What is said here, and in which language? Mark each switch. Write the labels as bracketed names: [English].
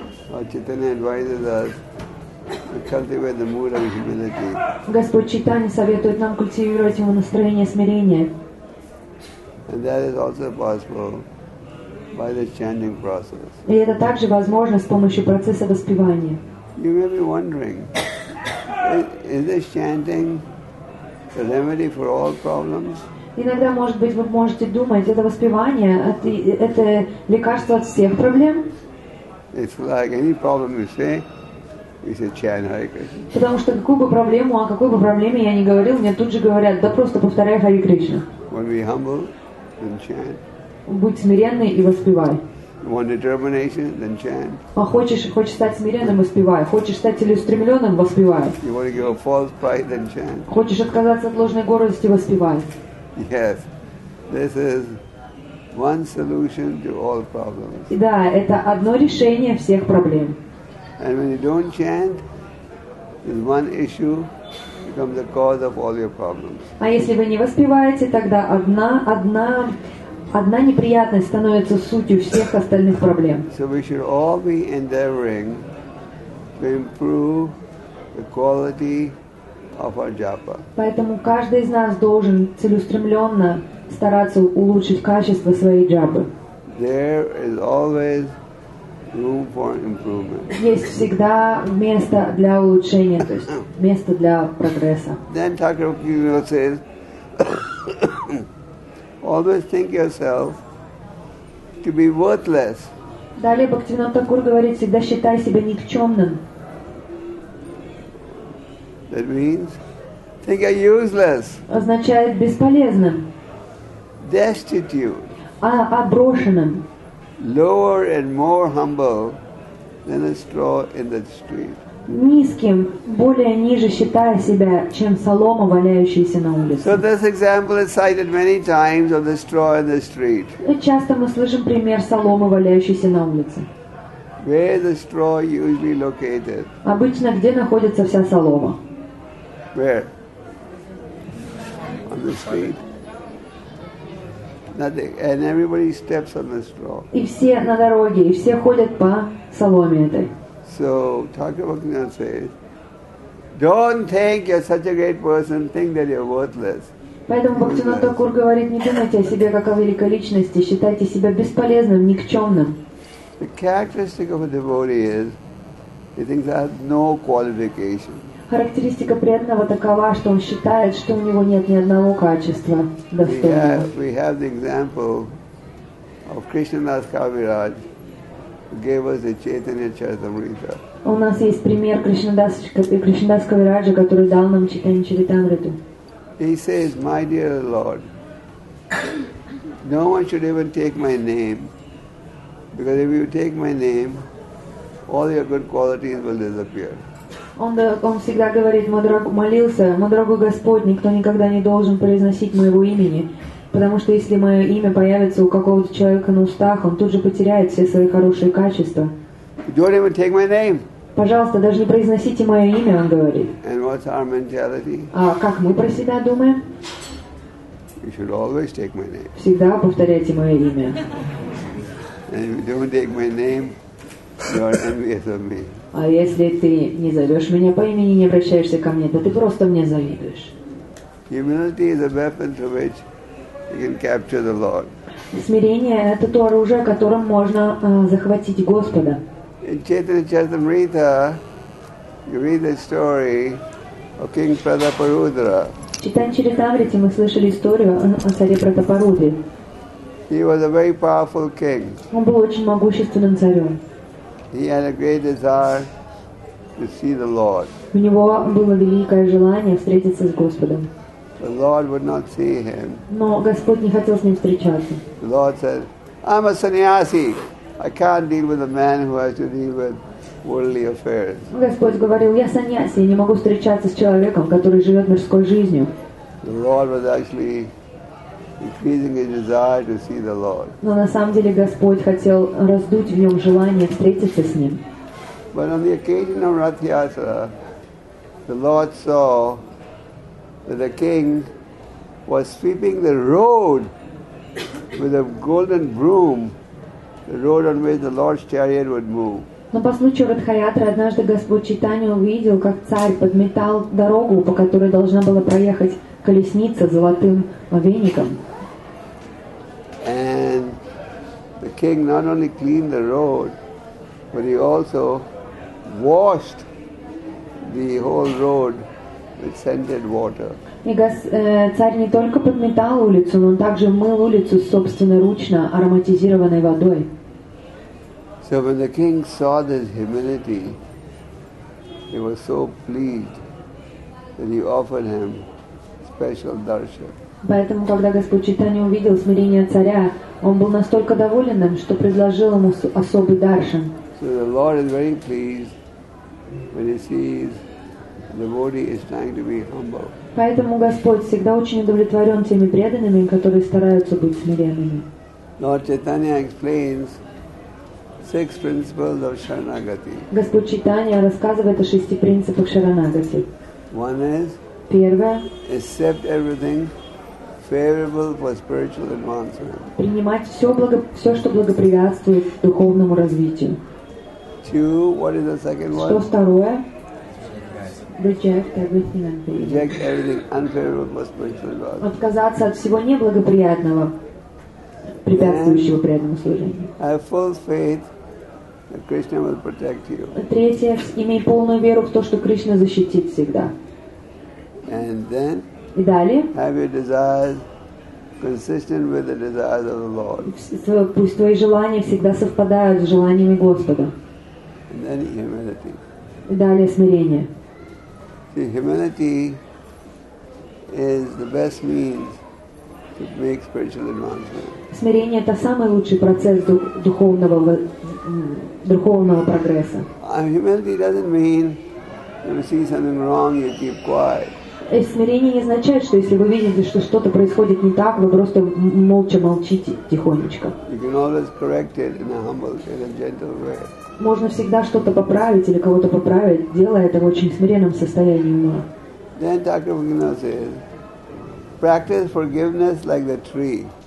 [English] Lord Chaitanya advises us to cultivate the mood of humility. [Russian] Господь Чайтанья советует нам культивировать его настроение смирения. [English] And that is also possible by the chanting process. [Russian] И это также возможно с помощью процесса воспевания. [English] You may be wondering, is this chanting the remedy for all problems? [Russian] Иногда, может быть, вы можете думать, это воспевание, это лекарство от всех проблем. [English] It's like any problem you say, you say chant Hare Krishna. [Russian] Потому что о какой бы проблеме я ни говорил, мне тут же говорят, да просто повторяй Hare Krishna. [English] When we humble, then chant. [Russian] Будь смиренный и воспевай. [English] Want determination, then chant. [Russian] А хочешь стать смиренным, воспевай. Хочешь стать целеустремленным, воспевай. [English] You want to give up false pride, then chant. [Russian] Хочешь отказаться от ложной гордости, воспевай. [English] Yes, this is one solution to all problems. [Russian] Да, это одно решение всех проблем. [English] And when you don't chant, this one issue becomes the cause of all your problems. [Russian] А если вы не воспеваете, тогда одна неприятность становится сутью всех остальных проблем. [English] So we should all be endeavoring to improve the quality of our japa. [Russian] Поэтому каждый из нас должен целеустремленно стараться улучшить качество своей джапы. [English] There is always room for improvement. [Russian] Есть всегда место для улучшения, то есть место для прогресса. [English] Then Thakur Bhaktivinoda says, always think yourself to be worthless. [Russian] Далее Бхактивинода Такур говорит, всегда считай себя никчемным. [English] That means, think you're useless. [Russian] Означает бесполезным. [English] Destitute. [Russian] Оброшенным. [English] Lower and more humble than a straw in the street. [Russian] низким, более ниже считая себя, чем солома, валяющаяся на улице. [English] So this example is cited many times of the straw in the street. [Russian] И часто мы слышим пример соломы, валяющейся на улице. [English] Where is the straw usually located? [Russian] Обычно где находится вся солома? [English] Where? On the street. Nothing. And everybody steps on the straw. [Russian] И все на дороге, и все ходят по соломе этой. [English] So Thakur Bhaktivinoda says, "Don't think you're such a great person. Think that you're worthless." [Russian] Поэтому Бхактивинода Такур говорит: не думайте о себе как о великой личности. Считайте себя бесполезным, никчемным. [English] The characteristic of a devotee is he thinks that no qualification. [Russian] Характеристика преданного такова, что он считает, что у него нет ни одного качества достойного. [English] We have the example of Krishnadas Kaviraj. Gave us the Chaitanya Charitamrita. [Russian] У нас есть пример Кришнадас Кавираджа, который дал нам Чайтанья Чаритамриту. [English] He says, "My dear Lord, no one should even take my name, because if you take my name, all your good qualities will disappear." [Russian] Он всегда говорит, мой дорогой Господь, никто никогда не должен произносить моего имени. Потому что если мое имя появится у какого-то человека на устах, он тут же потеряет все свои хорошие качества. [English] Don't even take my name. [Russian] Пожалуйста, даже не произносите мое имя, он говорит. [English] And what's our mentality? [Russian] А как мы про себя думаем? [English] You should always take my name. [Russian] Всегда повторяйте мое имя. [English] And if you don't take my name, you're envious of me. [Russian] А если ты не зовешь меня по имени, не обращаешься ко мне, то ты просто мне завидуешь. [English] Humility is a weapon to which you can capture the Lord. [Russian] Смирение – это то оружие, которым можно захватить Господа. [English] In Chaitanya Charitamrita, you read the story of King Prataparudra. [Russian] В Чайтанья Чаритамрите мы слышали историю о царе Пратапарудре. [English] He was a very powerful king. [Russian] Он был очень могущественным царем. [English] He had a great desire to see the Lord. [Russian] У него было великое желание встретиться с Господом. [English] The Lord would not see him. [Russian] Но Господь не хотел с ним встречаться. [English] The Lord said, "I'm a sannyasi. I can't deal with a man who has to deal with worldly affairs." [Russian] Господь говорил: "Я саньяси, не могу встречаться с человеком, который живет мирской жизнью." [English] The Lord was actually increasing his desire to see the Lord. [Russian] Но на самом деле Господь хотел раздуть в нем желание встретиться с ним. [English] But on the occasion of Rath Yatra, the Lord saw that the king was sweeping the road with a golden broom, the road on which the Lord's chariot would move. [Russian] Но по случаю Радхаятры однажды Господь Чайтанья увидел, как царь подметал дорогу, по которой должна была проехать колесница с золотым веником. [English] And the king not only cleaned the road, but he also washed the whole road with scented water. [Russian] Царь не только подметал улицу, но он также мыл улицу собственноручно ароматизированной водой. [English] So when the king saw this humility, he was so pleased that he offered him special darshan. [Russian] Поэтому, когда Господь Чайтанья увидел смирение царя, он был настолько доволен им, что предложил ему особый даршан. [English] So the Lord is very pleased when he sees the devotee is trying to be humble. [Russian] Поэтому Господь всегда очень удовлетворен теми преданными, которые стараются быть смиренными. [English] Lord Chaitanya explains six principles of Sharanagati. [Russian] Господь Чайтанья рассказывает о шести принципах Шаранагати. [English] One is, [Russian] первое, [English] accept everything favorable for spiritual advancement. [Russian] Принимать все, что благоприятствует духовному развитию. [English] Two, what is the second one? [Russian] Что второе? [English] Reject everything unfavorable for spiritual advancement. [Russian] Отказаться от всего неблагоприятного, препятствующего преданному служению. [English] Have full faith that Krishna will protect you. [Russian] Третье, имей полную веру в то, что Кришна защитит всегда. [English] And then, [Russian] и далее, [English] have your desires consistent with the desires of the Lord. [Russian] Пусть твои желания всегда совпадают с желаниями Господа. [English] And then humility. [Russian] И далее смирение. [English] See, humility is the best means to make spiritual advancement. [Russian] Смирение – это самый лучший процесс духовного прогресса. [English] Humility doesn't mean When you see something wrong, you keep quiet. [Russian] И смирение не означает, что если вы видите, что что-то происходит не так, вы просто молча молчите тихонечко. [English] You can always correct it in a humble, in a gentle way. [Russian] Можно всегда что-то поправить или кого-то поправить, делая это в очень смиренном состоянии ума. [English] Then Dr. Bhaktivinoda says, practice forgiveness like the tree.